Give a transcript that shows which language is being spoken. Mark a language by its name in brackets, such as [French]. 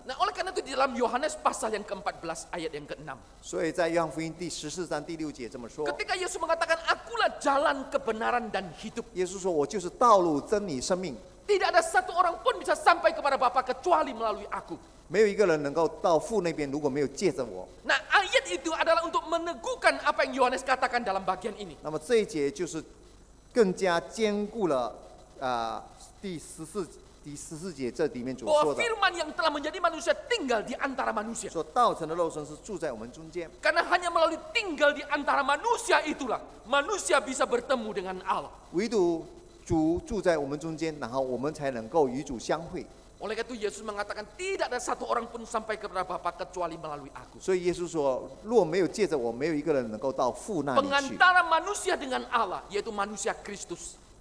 [Indonesian] Nah, oleh karena itu di dalam Yohanes pasal yang ke-14 ayat yang ke-6. [Chinese] 所以在约翰福音第十四章第六节这么说。 [Indonesian] Ketika Yesus mengatakan, "Akulah jalan kebenaran dan hidup." [Chinese] 耶稣说，我就是道路、真理、生命。 [Indonesian] Tidak ada satu orang pun bisa sampai kepada Bapa kecuali melalui Aku. [Chinese] 没有一个人能够到父那边，如果没有借着我。 [Indonesian] Nah, ayat itu adalah untuk meneguhkan apa yang Yohanes katakan dalam bagian ini. [Chinese] 那么这一节就是更加坚固了，第十四节这里面所说的。 [Indonesian] Bahwa firman yang telah menjadi manusia tinggal di antara manusia. [Chinese] 说道成的肉身是住在我们中间。 [Indonesian] Karena hanya melalui tinggal di antara manusia itulah manusia bisa bertemu dengan Allah. [Chinese] 唯独主住在我们中间，然后我们才能够与主相会。 [Indonesian] Oleh itu Yesus mengatakan tidak ada satu orang pun sampai kepada Bapa kecuali melalui aku. [Chinese] 所以耶稣说，若没有借着我，没有一个人能够到父那里去。 [Indonesian] Pengantara manusia dengan Allah yaitu manusia Kristus.